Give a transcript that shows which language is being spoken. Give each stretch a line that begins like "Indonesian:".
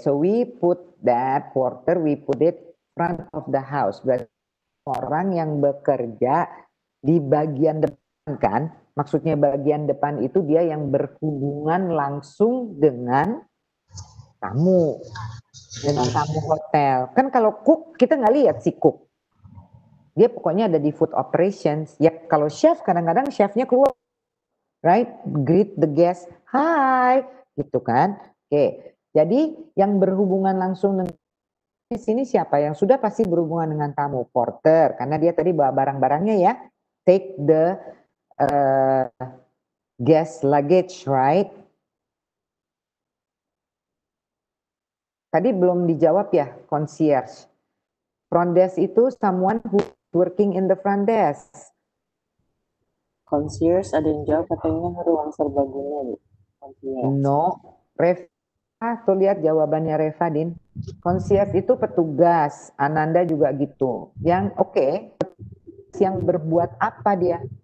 English: So we put that porter, we put it front of the house.
Indonesian: Orang yang bekerja di bagian depan kan, maksudnya bagian depan itu dia yang berhubungan langsung dengan tamu, dengan tamu hotel. Kan kalau cook, kita gak lihat si cook. Dia pokoknya ada di food operations. Ya kalau chef, kadang-kadang chefnya keluar. Right?
English: Greet the guest. Hi!
Indonesian: Gitu kan.
English: Oke.
Indonesian: Jadi yang berhubungan langsung dengan di sini siapa yang sudah pasti berhubungan dengan tamu, porter, karena dia tadi bawa barang-barangnya ya,
English: take the guest luggage, right?
Indonesian: Tadi belum dijawab ya, concierge.
English: Front desk itu someone who working in the front desk.
Indonesian: Concierge ada yang jawab katanya ruang serbaguna. No, ref. Tuh lihat jawabannya Reva, Din. Concierge itu petugas. Ananda juga gitu. Yang oke, okay. Yang berbuat apa dia?